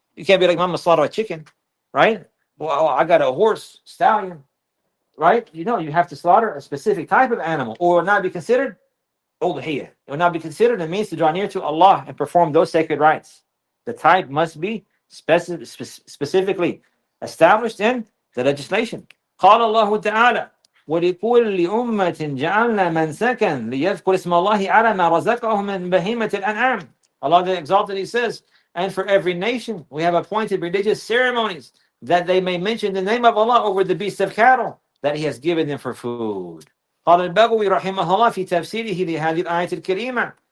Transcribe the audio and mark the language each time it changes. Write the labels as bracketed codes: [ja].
[en] You can't be like, I'm going to slaughter a chicken, right? Well, I got a horse, stallion, right? You know, you have to slaughter a specific type of animal or not be considered Udhiyah. It will not be considered a means to draw near to Allah and perform those sacred rites. The type must be specifically established in the legislation. [ar] قال الله تعالى ولكل أمة جعلنا من سكن ليذكر اسم الله على ما رزقهم من بهيمة الأنعام. [en] Allah the Exalted, He says, and for every nation we have appointed religious ceremonies that they may mention the name of Allah over the beasts of cattle that He has given them for food. [ar] قال البغوي رحمه الله في تفسيره لهذه الآية الكريمة.